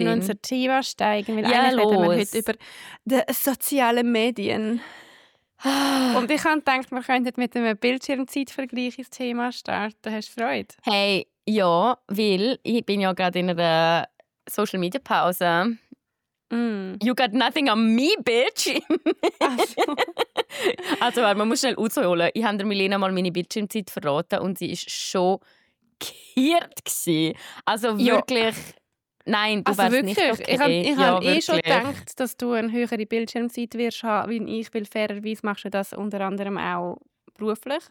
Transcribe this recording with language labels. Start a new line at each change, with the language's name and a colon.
German: Wir in unser Team steigen, weil ja, eigentlich reden wir heute über die sozialen Medien. Und ich habe gedacht, wir könnten mit einem Bildschirmzeitvergleich ins Thema starten. Hast du Freude? Hey, ja, weil ich bin ja gerade in einer Social Media Pause.
English: You got nothing on me, bitch.
German: Also, also man muss schnell ausholen. Ich habe der Milena mal meine Bildschirmzeit verraten und sie war schockiert. Also wirklich. Ja. Nein, du also wärst wirklich? Nicht okay. Ich habe schon gedacht, dass du eine höhere Bildschirmzeit wirst haben, wie ich, weil fairerweise machst du das unter anderem auch beruflich.